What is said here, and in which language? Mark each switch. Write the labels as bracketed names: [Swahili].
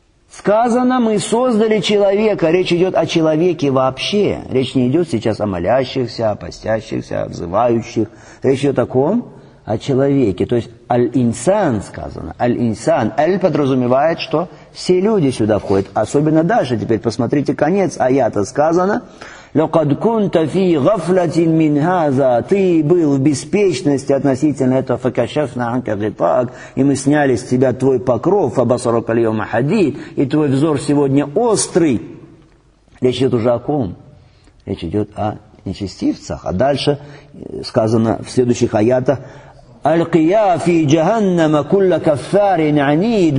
[Russian] Сказано, мы создали человека. Речь идет о человеке вообще. Речь не идет сейчас о молящихся, о постящихся, о взывающих. Речь идет о ком? О человеке. То есть, аль-инсан сказано. Аль-инсан. Аль подразумевает, что все люди сюда входят. Особенно дальше. Теперь посмотрите конец аята. Сказано, [Arabic] لَقَدْ كُنْتَ فِي غَفْلَةٍ مِّنْ هَذَا. [Russian] Ты был в беспечности относительно этого. [Arabic] فَكَشَفْنَا عَنْكَ غِطَاءَكَ. [Russian] И мы сняли с тебя твой покров. [Arabic] فَبَصَرُكَ الْيَوْمَ حَدِيدٌ. [Russian] И твой взор сегодня острый. Речь идет уже о ком? Речь идет о нечестивцах. А дальше сказано в следующих аятах, [Arabic] «Аль-кия фи джаханнама кулла кафарин анид».